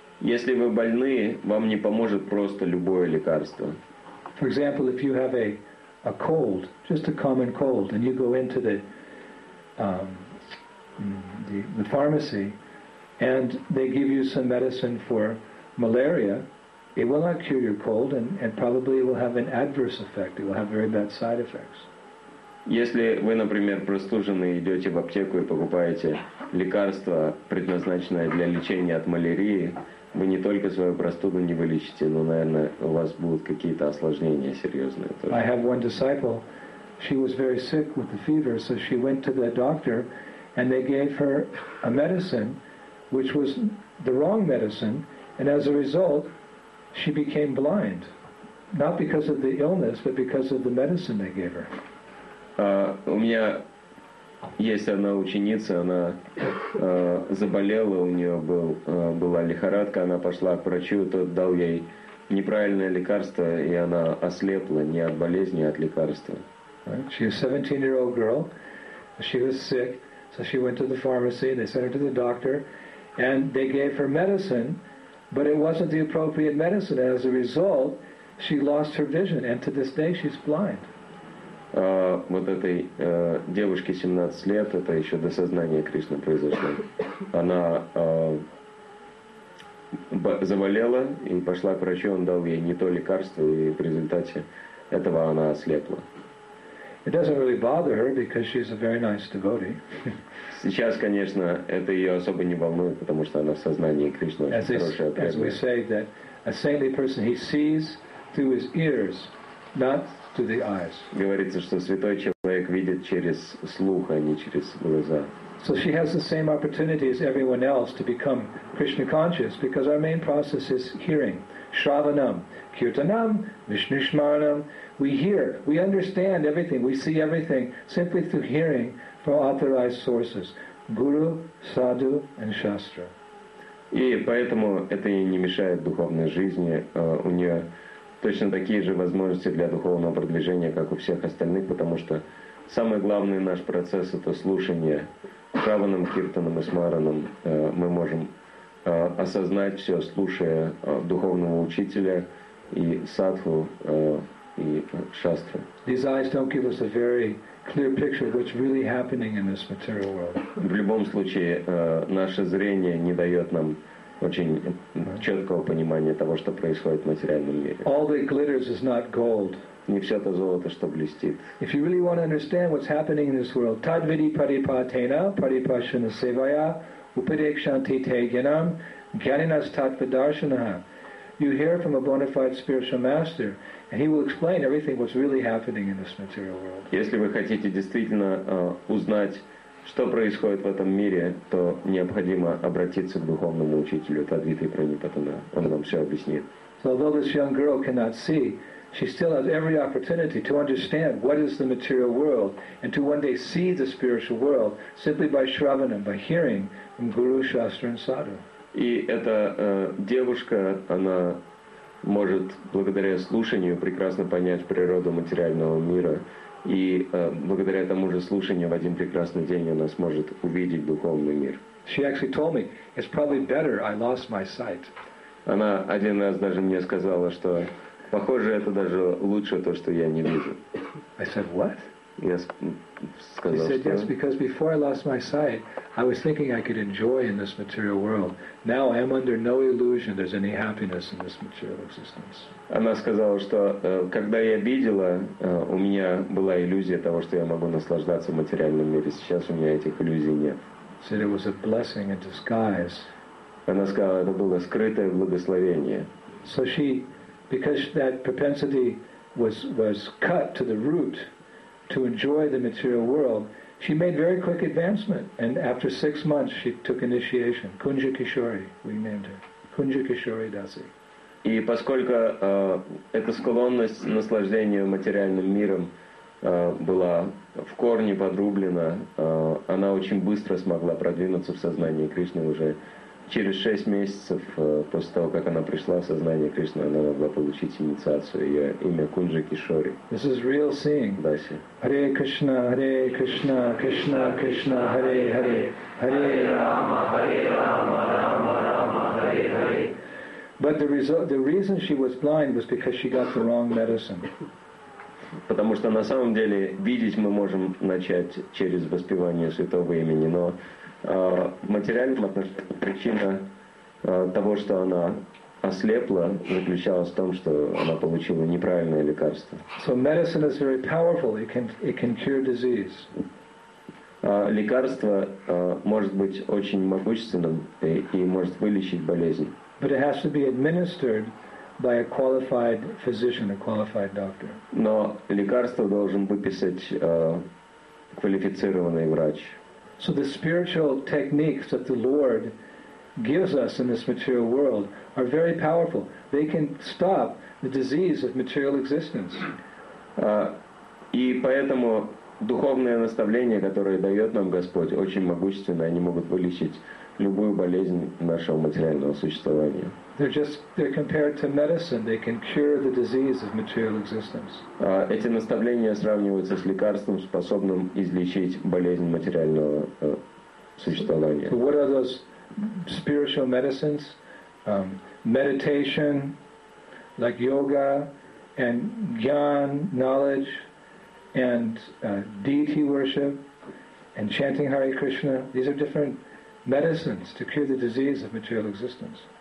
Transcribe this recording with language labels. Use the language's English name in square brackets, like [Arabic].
[Russian] Если вы больны, вам не поможет просто любое лекарство. [English] For example, if you have a cold, just a common cold, and you go into the pharmacy, and they give you some medicine for malaria, it will not cure your cold, and probably it will have an adverse effect. It will have very bad side effects. [Russian] Если вы, например, простужены, идете в аптеку и покупаете лекарство, предназначенное для лечения от малярии, вы не только свою простуду не вылечите, но, наверное, у вас будут какие-то осложнения серьезные тоже. [English] I have one disciple. She was very sick with the fever, so she went to the doctor, and they gave her a medicine, which was the wrong medicine, and as a result, she became blind. Not because of the illness, but because of the medicine they gave her. [Russian] У меня есть одна ученица, она заболела, у нее была лихорадка, она пошла к врачу, тот дал ей неправильное лекарство, и она ослепла не от болезни, а от лекарства. [English] Right. She was a 17-year-old girl. She was sick, so she went to the pharmacy, and they sent her to the doctor, and they gave her medicine, but it wasn't the appropriate medicine. As a result, she lost her vision, and to this day, she's blind. [Russian] Вот этой девушке 17 лет, это еще до сознания Кришны произошло. Она заболела и пошла к врачу, он дал ей не то лекарство, и в результате этого она ослепла. [English] It doesn't really bother her because she's a very nice devotee. [Russian] Сейчас, конечно, это ее особо не волнует, потому что она в сознании Кришны очень хорошая преданная. [English] As we say that a saintly person, he sees through his ears, not through the eyes. [Russian] Говорится, что святой человек видит через слух, а не через глаза. [English] So she has the same opportunity as everyone else to become Krishna conscious, because our main process is hearing. [Sanskrit] Shravanam, Kirtanam, Vishnusmaranam. [English] We hear, we understand everything, we see everything simply through hearing from authorized sources. Guru, Sadhu, and Shastra. [Russian] И поэтому это ей не мешает духовной жизни. У нее точно такие же возможности для духовного продвижения, как у всех остальных, потому что самый главный наш процесс — это слушание. Шраванам, Киртанам и Смаранам мы можем осознать все, слушая духовного учителя и садху, и шастру. [English] These eyes don't give us a very clear picture of what's really happening in this material world. [Russian] В любом случае, наше зрение не дает нам очень четкого понимания того, что происходит в материальном мире. [English] All that glitters is not gold. [Russian] Не все то золото, что блестит. [English] If you really want to understand what's happening in this world, [Sanskrit] tadvidi paripatena, paripashana sevaya, upadekshanti te genam, gyaninas tatvadarshanaha. [English] You hear from a bona fide spiritual master, and he will explain everything what's really happening in this material world. [Russian] Если вы хотите действительно узнать, что происходит в этом мире, то необходимо обратиться к духовному учителю Тадвиты Пранипатана. Он вам все объяснит. [English] So although this young girl cannot see, she still has every opportunity to understand what is the material world and to one day see the spiritual world simply by shravanam, by hearing from Guru, Shastra, and Sadhu. [Russian] И эта девушка, она может благодаря слушанию прекрасно понять природу материального мира, и благодаря тому же слушанию в один прекрасный день она сможет увидеть духовный мир. [English] She actually told me, it's probably better I lost my sight. [Russian] Она один раз даже мне сказала, что похоже, это даже лучше то, что я не вижу. [English] I said, what? [Russian] Я сказал, [English] he said, yes, because before I lost my sight, I was thinking I could enjoy in this material world. Now I am under no illusion there's any happiness in this material existence. [Russian] Она сказала, что когда я видела, у меня была иллюзия того, что я могу наслаждаться материальным миром. Сейчас у меня этих иллюзий нет. [English] Said it was a blessing in disguise. [Russian] Она сказала, это было скрытое благословение. [English] So she, because that propensity was cut to the root, to enjoy the material world, she made very quick advancement. And after 6 months, she took initiation. Kunja Kishori, we named her. Kunja Kishori Dasi. [Russian] И поскольку эта склонность наслаждению материальным миром была в корне подрублена, она очень быстро смогла продвинуться в сознании Кришны уже. Через 6 месяцев после того, как она пришла в сознание Кришны, она могла получить инициацию. Ее имя Кунджа Кишори. [English] This is real seeing. [Russian] Даси. [Sanskrit] Hare Krishna, Hare Krishna, Krishna Krishna, Hare Hare. Hare Rama, Hare Rama, Rama Rama, Hare Hare. [English] But the reason she was blind was because she got the wrong medicine. [Russian] Потому что на самом деле видеть мы можем начать через воспевание святого имени, но в материальном отношении причина того, что она ослепла, заключалась в том, что она получила неправильное лекарство. [English] So medicine is very powerful. It can cure disease. [Russian] Лекарство может быть очень могущественным и может вылечить болезнь. [English] But it has to be administered by a qualified physician, a qualified doctor. [Russian] Но лекарство должен выписать квалифицированный врач. [English] So the spiritual techniques that the Lord gives us in this material world are very powerful. They can stop the disease of material existence. [Russian] И поэтому духовное наставление, которое дает нам Господь, очень могущественно, они могут вылечить любую болезнь нашего материального существования. [English] They're compared to medicine. They can cure the disease of material existence. [Russian] Эти наставления сравниваются с лекарством, способным излечить болезнь материального существования. [English] So what are those spiritual medicines? Meditation, like yoga, and jnana, knowledge, and deity worship, and chanting Hare Krishna. These are different medicines to cure the disease of material existence.